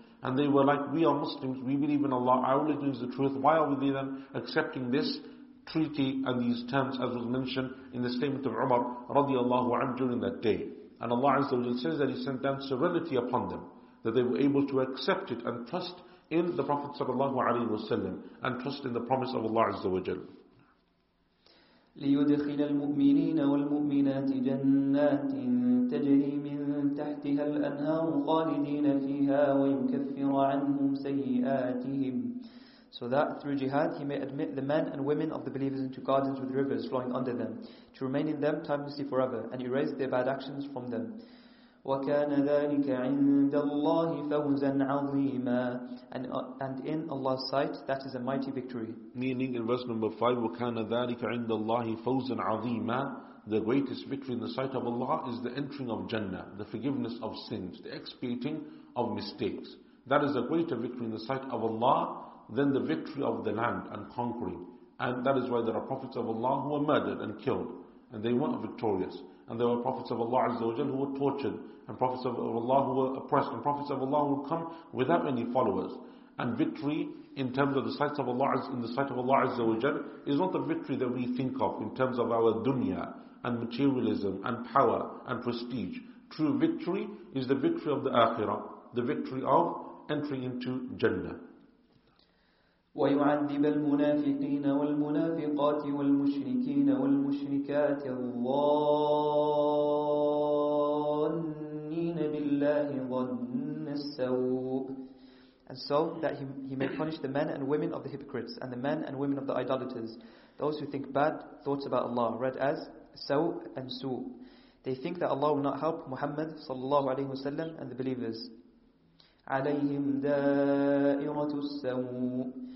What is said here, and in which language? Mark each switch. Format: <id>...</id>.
<en>And they were like, we are Muslims, we believe in Allah, our religion is the truth, why are we then accepting this treaty and these terms as was mentioned in the statement of Umar radiallahu anhu during that day. And Allah Azza wa Jalla says that He sent down serenity upon them, that they were able to accept it and trust in the Prophet sallallahu alayhi wa sallam and trust in the promise of Allah Azza wa Jalla.</en> <ar>ليدخل المؤمنين والمؤمنات جنات تجري من تحتها الأنهار خالدين فيها ويكفر عنهم سيئاتهم.</ar> <en>So that through jihad he may admit the men and women of the believers into gardens with rivers flowing under them, to remain in them timelessly forever, and erase their bad actions from them.</en> <ar>وكان ذلك عند الله فوزا عظيما.</ar> <en>And in Allah's sight, that is a mighty victory. Meaning in verse number 5,</en> <ar>وكان ذلك عند الله فوزا عظيما.</ar> <en>The greatest victory in the sight of Allah is the entering of Jannah, the forgiveness of sins, the expiating of mistakes. That is a greater victory in the sight of Allah than the victory of the land and conquering. And that is why there are prophets of Allah who were murdered and killed, and they weren't victorious. And there were prophets of Allah Azza wa Jal who were tortured, and prophets of Allah who were oppressed, and prophets of Allah who would come without any followers. And victory in terms of the sight of Allah, in the sight of Allah Azza wa Jal, is not the victory that we think of in terms of our dunya and materialism and power and prestige. True victory is the victory of the akhirah, the victory of entering into Jannah.</en> <ar>ويعذب المنافقين والمنافقات والمشركين والمشركات الظانين بالله ظن السوء.</ar> <en>And so that he may punish the men and women of the hypocrites and the men and women of the idolaters, those who think bad thoughts about Allah, read as سوء and سوء. They think that Allah will not help Muhammad صلى الله عليه وسلم and the believers.</en> <ar>عليهم دائرة السوء.</ar>